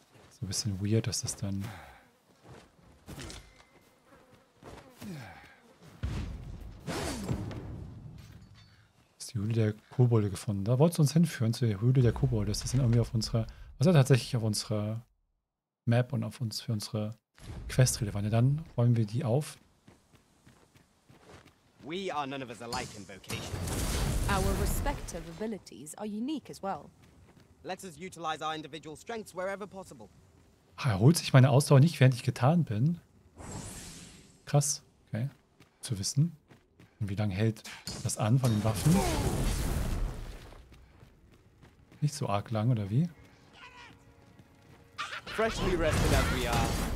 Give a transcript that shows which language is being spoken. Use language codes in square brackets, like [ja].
[de] So ein bisschen weird, dass das dann. Das ist die Höhle der Kobolde gefunden. Da wolltest du uns hinführen zu der Höhle der Kobolde. Das ist dann irgendwie auf unserer. Was ist tatsächlich auf unserer Map und auf uns für unsere. Quest-relevant. Dann räumen wir die auf. [en] We are none of us alike in vocation. Our respective abilities are unique as well. Let us utilize our individual strengths wherever possible. [de] Erholt sich meine Ausdauer nicht, während ich getarnt bin? Krass. Okay. Zu wissen. Und wie lange hält das an von den Waffen? Nicht so arg lang, oder wie? [en] Freshly rested as we are.